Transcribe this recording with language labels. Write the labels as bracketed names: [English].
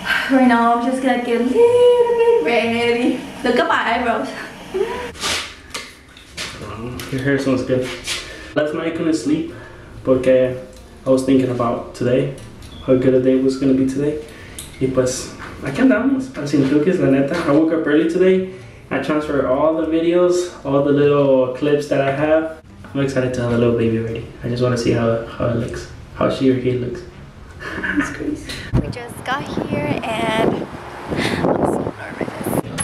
[English] Right now I'm just gonna get a little bit ready. Look at my eyebrows. Your hair smells good. Last night I couldn't sleep [Spanish] porque [English] I was thinking about today, how good a day was gonna be today. [Spanish] Y pues, aquí andamos, así truques, la neta. [English] I woke up early today. I transferred all the videos, all the little clips that I have. I'm excited to have a little baby ready. I just wanna see how it looks. How she or he looks. That's crazy. We just got here and I'm so nervous.